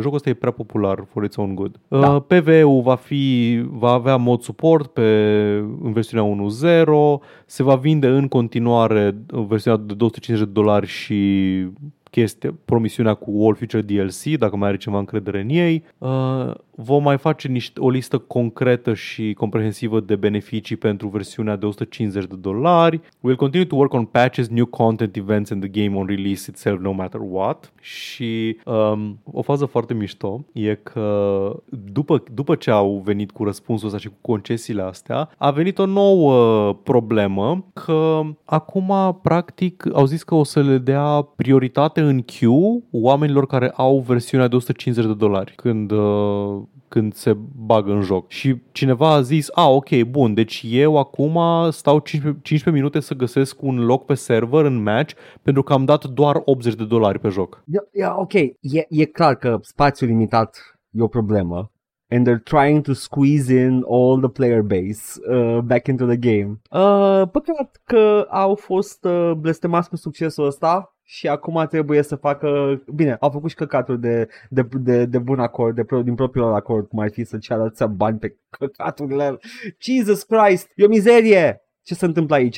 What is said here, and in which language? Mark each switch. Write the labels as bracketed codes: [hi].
[ro] Jocul ăsta e prea popular [en] for its own good. [ro] Da. PvE-ul va avea mod suport în versiunea 1.0, se va vinde în continuare versiunea de $250 și chestia, promisiunea cu All Future DLC, dacă mai are ceva încredere în ei. Vom mai face o listă concretă și comprehensivă de beneficii pentru versiunea de $150. [en] We'll continue to work on patches, new content, events and the game on release itself, no matter what. [ro] Și o fază foarte mișto e că după ce au venit cu răspunsul ăsta și cu concesiile astea, a venit o nouă problemă, că acum, practic, au zis că o să le dea prioritate în queue oamenilor care au versiunea de $150. Când se bagă în joc. Și cineva a zis, a, ok, bun, deci eu acum stau 15 minute să găsesc un loc pe server în match pentru că am dat doar $80 pe joc. Ok, e clar că spațiul limitat e o problemă. [en] And they're trying to squeeze in all the player base back into the game. [ro] Păcat că au fost blestemați cu succesul ăsta. Și acum trebuie să facă... Bine, au făcut și căcatul de bun acord, din propriul lor acord, cum ar fi să ceară ăția bani pe căcaturile. Jesus Christ! E o mizerie! Ce se întâmplă aici?